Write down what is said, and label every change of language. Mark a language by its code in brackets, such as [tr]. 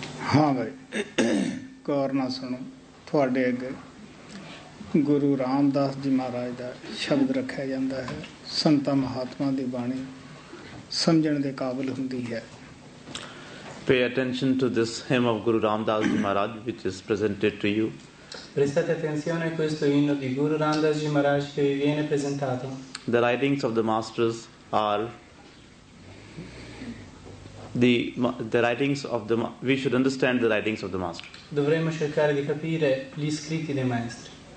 [hi] हाँ भाई कारना सुनो, थोड़े अगर गुरु रामदास जी महाराज का शब्द रखा जाता है, संत महात्मा की बाणी समझण के काबिल होंदी है। [en] Pay attention to this hymn of Guru Ramdas ji Maharaj which is presented to you. [it] Prestate attenzione a questo inno di Guru Ramdas ji Maharaj che vi viene presentato. [en] The writings of the masters are the writings of the we should understand the writings of the master. [it] Dovremmo cercare di capire gli scritti dei maestri.